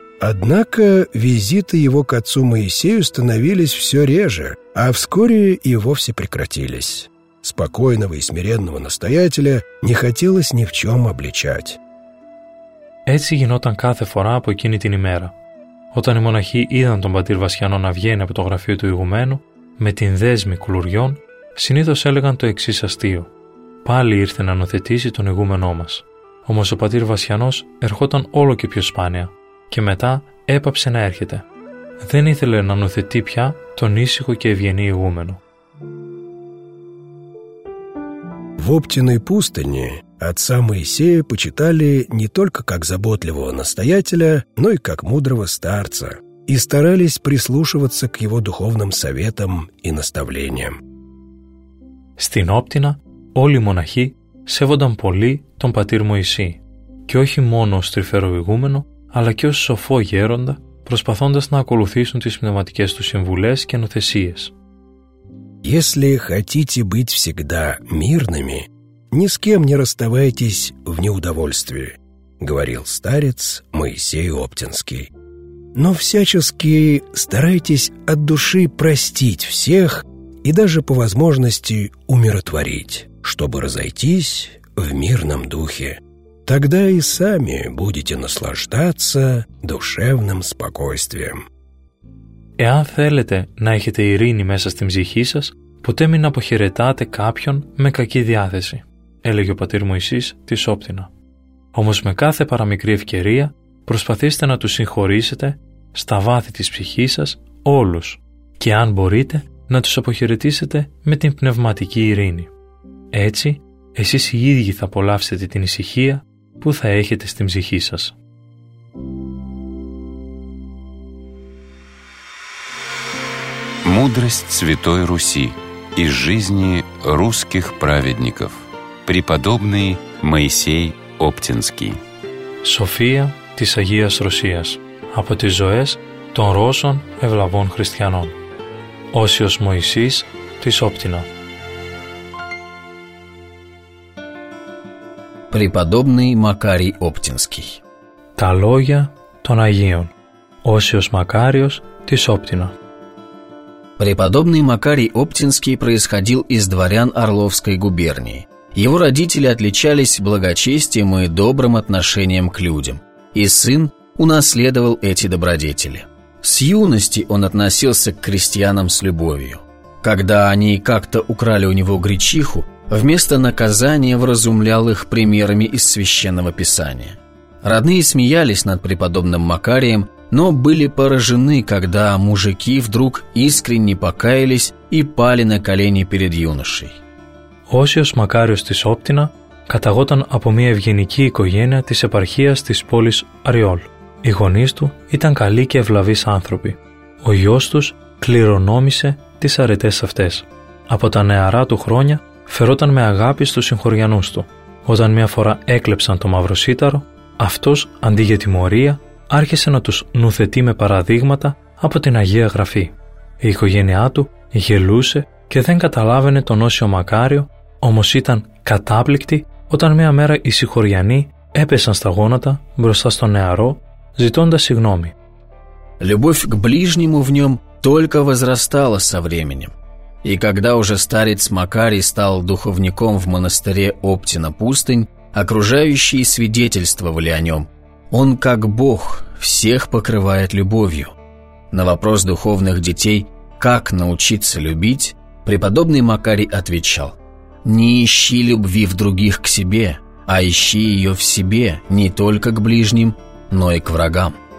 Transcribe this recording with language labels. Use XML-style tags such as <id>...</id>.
<ru>Однако визиты его к отцу Моисею становились все реже, а вскоре и вовсе прекратились. Спокойного и смиренного настоятеля не хотелось ни в чем обличать.</ru> <el>Έτσι γινόταν κάθε φορά από εκείνη την ημέρα. Όταν οι μοναχοί είδαν τον πατήρ Βασιανό να βγαίνει από το γραφείο του ηγουμένου με την δέσμη κουλουριών, συνήθως έλεγαν το εξής αστείο: «Πάλι ήρθε να νοθετήσει τον ηγούμενό μας». Όμως ο πατήρ Βασιανός ερχόταν όλο και πιο σπάνια και μετά έπαψε να έρχεται. Δεν ήθελε να νοθετεί πια τον ήσυχο και ευγενή ηγούμενο.</el> <ru>В Оптиной пустыне отца Моисея почитали не только как заботливого настоятеля, но и как мудрого старца, и старались прислушиваться к его духовным советам и наставлениям.</ru> <el>Στην Όπτινα όλοι οι μοναχοί σέβονταν πολύ τον πατήρ Μωυσή, και όχι μόνο ως τρυφερό ηγούμενο, αλλά και ως σοφό γέροντα, προσπαθώντας να ακολουθήσουν τις πνευματικές του συμβουλές και νοθεσίες.</el> <ru>Если хотите быть всегда мирными, ни с кем не расставайтесь в неудовольствии, говорил старец Моисей Оптинский. Но всячески старайтесь от души простить всех и даже по возможности умиротворить, чтобы разойтись в мирном духе. Тогда и сами будете наслаждаться душевным спокойствием.</ru> <el>Εάν θέλετε να έχετε ειρήνη μέσα στην ψυχή σας, ποτέ μην αποχαιρετάτε κάποιον με κακή διάθεση, έλεγε ο πατήρ Μωυσής της Όπτινα. Όμως με κάθε παραμικρή ευκαιρία, προσπαθήστε να τους συγχωρήσετε στα βάθη της ψυχής σας όλους και αν μπορείτε να τους αποχαιρετήσετε με την πνευματική ειρήνη. Έτσι, εσείς οι ίδιοι θα απολαύσετε την ησυχία που θα έχετε στην ψυχή σας.</el> <ru>Мудрость Святой Руси из жизни русских праведников. Преподобный Моисей Оптинский.</ru> <el>София της Агίας Ρωσίας. Από τις ζωές των Ρώσων ευλαβών χριστιανών. Όσιος Μωυσής της Όπτινα.</el> <ru>Преподобный Макарий Оптинский.</ru> <el>Τα λόγια των Αγίων. Όσιος Μακάριος της Όπτινα.</el> <ru>Преподобный Макарий Оптинский происходил из дворян Орловской губернии. Его родители отличались благочестием и добрым отношением к людям, и сын унаследовал эти добродетели. С юности он относился к крестьянам с любовью. Когда они как-то украли у него гречиху, вместо наказания вразумлял их примерами из Священного Писания. Родные смеялись над преподобным Макарием, но были поражены, когда мужики вдруг искренне покаялись и пали на колени перед юношей. Осиос Макарио из Оптина</ru> <el>καταγόταν από μια ευγενική οικογένεια της επαρχίας της πόλης Αριόλ. Οι γονείς του ήταν καλοί και ευλαβείς άνθρωποι. Ο γιος τους κληρονόμησε τις αρετές αυτές. Από τα νεαρά του χρόνια φερόταν με αγάπη στους συγχωριανούς του. Όταν μια φορά έκλεψαν το μαύρο σύταρο, αυτός αντί για τιμωρία άρχισε να τους νουθετεί με παραδείγματα από την Αγία Γραφή. Η οικογένειά του γελούσε και δεν καταλάβαινε τον Όσιο Μακάριο, όμως ήταν κατάπληκτη όταν μια μέρα οι συγχωριανοί έπεσαν στα γόνατα μπροστά στον νεαρό, ζητώντας συγγνώμη.</el> <ru>Любовь к ближнему в нем только возрастала со временем. И когда уже старец Макарий стал духовником в монастыре Оптина Пустынь, окружающие свидетельствовали о нем. Он как Бог всех покрывает любовью. На вопрос духовных детей, как научиться любить, преподобный Макарий отвечал: «Не ищи любви в других к себе, а ищи ее в себе, не только к ближним, но и к врагам».</ru>